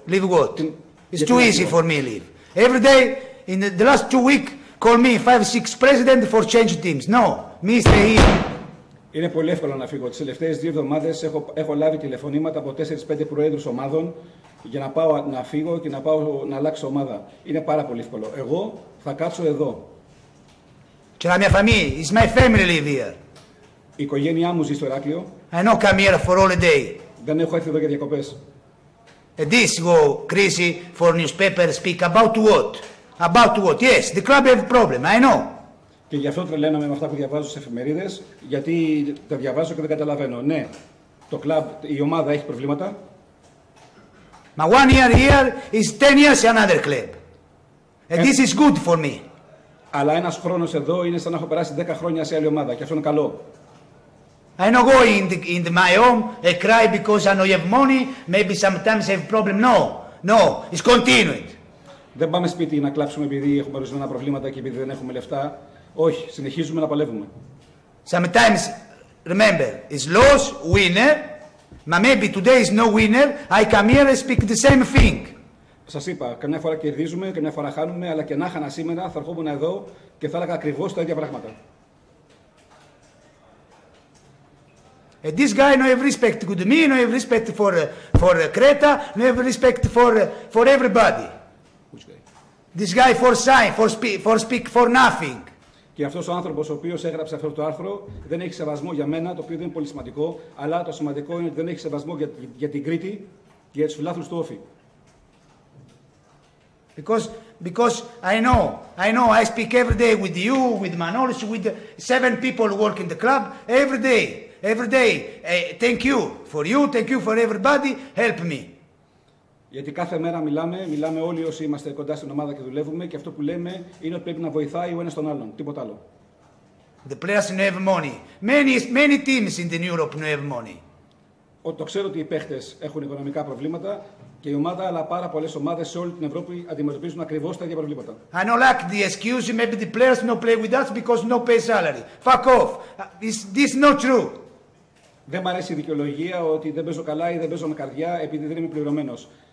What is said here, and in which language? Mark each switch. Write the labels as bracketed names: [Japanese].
[English] Leave what? It's too easy for me, leave. Every day, in the last 2 weeks, Call me 5-6 president for change teams. No, Mr. E. [Greek] Είναι πολύ εύκολο να φύγω. Τις τελευταίες δύο εβδομάδες έχω λάβει τηλεφωνήματα από 4-5 προέδρους ομάδων για να πάω να φύγω και να πάω να αλλάξω ομάδα. Είναι πάρα πολύ εύκολο. Εγώ θα κάτσω εδώ. [Italian] C'è la mia famiglia, [English] it's my family live here. [Greek] Η οικογένειά μου ζει στο Ηράκλειο. [English] I don't come here for holiday. [Greek] Δεν έχω έρθει εδώ για διακοπές. [English] And this go crazy for newspaper speak about what? About what? Yes, the club have problem, I know. [Greek] Και γι' αυτό τρελαίνομαι με αυτά που διαβάζω στις εφημερίδες, γιατί τα διαβάζω και δεν καταλαβαίνω. Ναι, το club, η ομάδα έχει προβλήματα. [English] My 1 year here is 10 years in another club. And this is good for me. [Greek] Αλλά ένας χρόνος εδώ είναι σαν να έχω περάσει 10 χρόνια σε άλλη ομάδα και αυτό είναι καλό. [English] I don't go in my home and cry because I don't have money, maybe sometimes I have problem. No, no, it's continued. [Greek] Δεν πάμε σπίτι να κλάψουμε επειδή έχουμε ορισμένα προβλήματα και επειδή δεν έχουμε λεφτά. Όχι, συνεχίζουμε να παλεύουμε. [English] Sometimes, remember, it's loss, winner, but maybe today is no winner, I come here and speak the same thing. [Greek] Σας είπα, καμιά φορά κερδίζουμε, καμιά φορά χάνουμε, αλλά και να χάνα σήμερα θα ερχόμουν εδώ και θα έλεγα ακριβώς τα ίδια πράγματα. [English] And this guy no have respect to me, no have respect for Creta, no have respect for everybody. Which guy? This guy for sign, for speak, for nothing. [Greek] Και αυτός ο άνθρωπος ο οποίος έγραψε αυτό το άρθρο δεν έχει σεβασμό για μένα, το οποίο δεν είναι πολύ σημαντικό, αλλά το σημαντικό είναι ότι δεν έχει σεβασμό για την Κρήτη και για τους φιλάθλους του Όφη. [English] Because I know, I speak every day with you, with Manolis, with 7 people who work in the club, every day. Thank you for you, thank you for everybody, help me. [Greek] Γιατί κάθε μέρα μιλάμε όλοι όσοι είμαστε κοντά στην ομάδα και δουλεύουμε και αυτό που λέμε είναι ότι πρέπει να βοηθάει ο ένας τον άλλον, τίποτα άλλο. [English] The players don't have money. Many teams in the Europe don't have money. [Greek] Το ξέρω ότι οι παίχτες έχουν οικονομικά προβλήματα και η ομάδα, αλλά πάρα πολλές ομάδες σε όλη την Ευρώπη αντιμετωπίζουν ακριβώς τα ίδια προβλήματα. [English] I don't like the excuse, maybe the players don't play with us because no pay salary. Fuck off. This is not true. [Greek] Δεν μ' αρέσει η δικαιολογία ότι δεν παίζω καλά ή δεν παίζω με καρδιά επειδή δεν είμαι πληρωμένος.